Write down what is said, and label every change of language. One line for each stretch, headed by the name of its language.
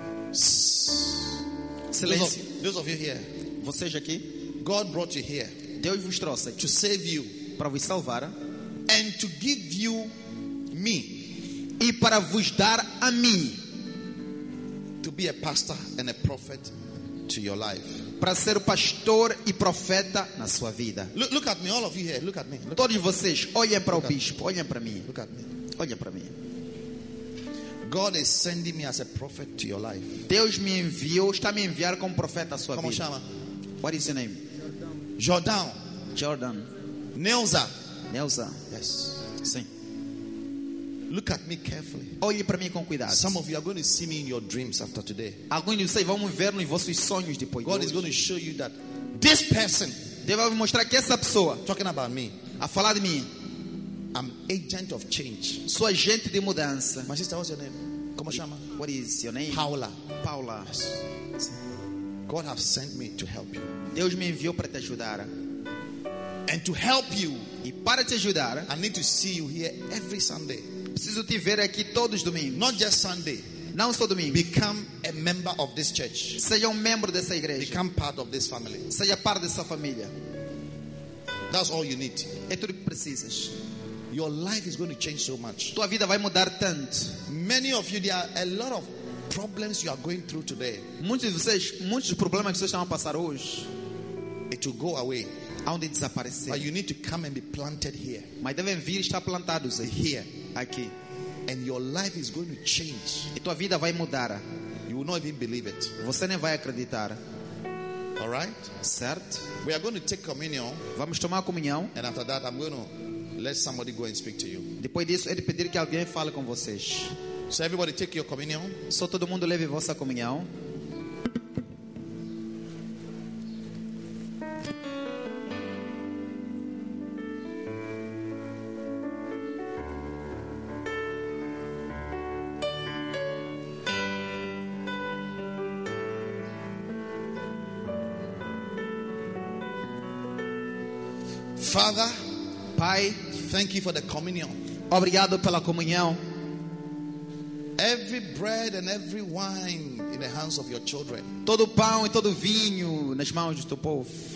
English: Silêncio. Those of you here.
Portuguese: Vocês aqui.
English: God brought you here.
Portuguese: Deus vos trouxe aqui.
English: To save you.
Portuguese: Para vos salvar.
English: And to give you me.
Portuguese: E para vos dar a mim.
English: To be a pastor and a prophet to your life.
Portuguese: Para ser pastor e profeta na sua vida.
English: Look at me, all of you here. Look at me. Look
Portuguese: todos vocês, olhem para o bispo, olhem para mim.
English: Look at me.
Portuguese: Olhem para mim.
English: God is sending me as a prophet to your life.
Portuguese: Deus me enviou, está me enviar como profeta à sua como vida. Chama?
English: What is your name? Jordan. Jordan. Neuza. Neuza. Yes.
Portuguese: Sim.
English: Look at me carefully.
Portuguese: Olhe para mim com cuidado.
English: Some of you are going to see me in your dreams after today.
Portuguese: Alguns de vocês vão ver nos vossos sonhos depois.
English: God
Portuguese: de
English: is going to show you that this person.
Portuguese: Deus vai mostrar que essa pessoa.
English: Talking about me.
Portuguese: A falar de mim.
English: I'm agent of change.
Portuguese: Sou agente de mudança.
English: My sister, what's your name?
Portuguese: Como chama?
English: What is your name? Paula. Paula. Yes. God has sent me to help you.
Portuguese: Deus me enviou para te ajudar.
English: And to help you.
Portuguese: E para te ajudar.
English: I need to see you here every Sunday.
Portuguese: Preciso te ver aqui todos os domingos.
English: Not just Sunday.
Portuguese: Não só domingo.
English: Become a member of this church.
Portuguese: Seja membro dessa igreja.
English: Become part of this family.
Portuguese: Seja parte dessa família.
English: That's all you need.
Portuguese: É tudo que precisas.
English: Your life is going to change so much.
Portuguese: Tua vida vai mudar tanto.
English: Many of you, there are a lot of problems you are going through today.
Portuguese: Muitos de vocês, muitos problemas que vocês estão a passar hoje.
English: It will go away.
Portuguese: Aonde desaparecer.
English: But you need to come and be planted here.
Portuguese: Mas devem vir estar plantados aqui.
English: Here.
Portuguese: Aqui.
English: And your life is going to change.
Portuguese: E tua vida vai mudar.
English: You will not even believe it.
Portuguese: Você nem vai acreditar.
English: All right?
Portuguese: Certo.
English: We are going to take communion.
Portuguese: Vamos tomar comunhão.
English: And after that, I'm going to let somebody go and speak to you.
Portuguese: Depois disso, é de pedir que alguém fale com vocês.
English: So everybody take your communion.
Portuguese: Só todo mundo leve vossa comunhão.
English: Father,
Portuguese: Pai,
English: thank you for the communion.
Portuguese: Obrigado pela comunhão.
English: Every bread and every wine in the hands of your children.
Portuguese: Todo pão e todo vinho nas mãos do teu povo.